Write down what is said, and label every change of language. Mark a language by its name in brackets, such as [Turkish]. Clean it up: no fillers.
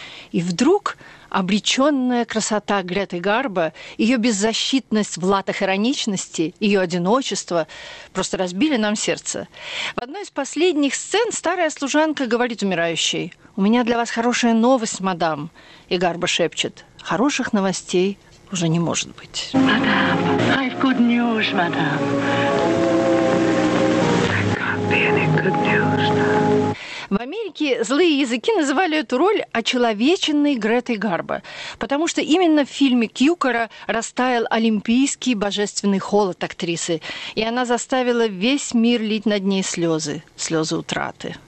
[Russian] И вдруг обреченная красота Греты Гарбо, ее беззащитность в латах ироничности, ее одиночество просто разбили нам сердце. В одной из последних сцен старая служанка говорит умирающей: «У меня для вас хорошая новость, мадам». И Гарбо шепчет: «Хороших новостей уже не может быть». [English] Мадам, I have good news, мадам. [Russian] В Америке злые языки называли эту роль очеловеченной Гретой Гарбо, потому что именно в фильме Кьюкора растаял олимпийский божественный холод актрисы, и она заставила весь мир лить над ней слезы, слезы утраты.